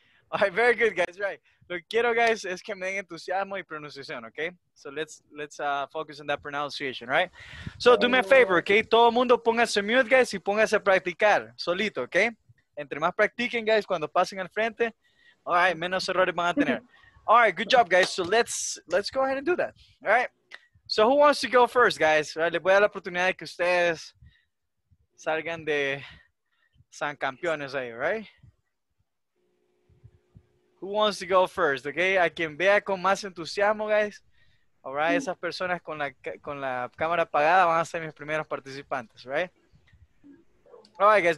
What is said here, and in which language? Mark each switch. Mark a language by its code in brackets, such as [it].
[en] All right, very good, guys, right? [es] Lo que quiero, guys, es que me den entusiasmo y pronunciación, okay? [en] So let's focus on that pronunciation, right? So do me a favor, okay? [es] Todo mundo póngase mute, guys, y póngase a practicar solito, okay? Entre más practiquen, guys, cuando pasen al frente, all right, menos errores van a tener. [en] All right, good job, guys. So let's go ahead and do that, all right? So who wants to go first, guys? [es] Right, les voy a dar la oportunidad de que ustedes salgan de San Campeones ahí, right? [en] Who wants to go first, okay? [es] A quien vea con más entusiasmo, [en] guys. [es] All right, esas personas con la cámara apagada van a ser mis primeros participantes, right? [en] All right, guys.